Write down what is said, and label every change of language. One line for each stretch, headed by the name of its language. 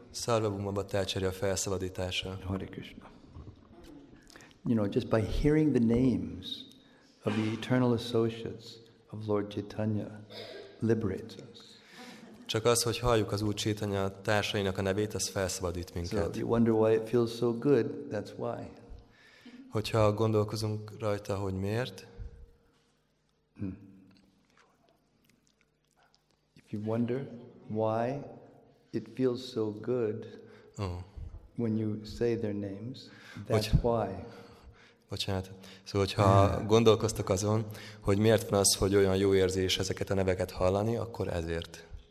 Hungarian: Sarvabhauma Bhattacharya felszabadítása. Hare Krishna.
English: You know, just by hearing the names of the eternal associates of Lord Chaitanya liberates us.
Hungarian: Csak az, hogy halljuk az Úr Chaitanya társainak a nevét, az felszabadít minket.
English: So you wonder why it feels so good, that's why.
Hungarian: Hogyha gondolkozunk rajta, hogy miért.
English: If you wonder why it feels so good when you say their names, that's why.
Hungarian: Bocsánat. Szóval, hogyha gondolkoztok azon, hogy miért van az, hogy olyan jó érzés ezeket a neveket hallani, akkor ezért.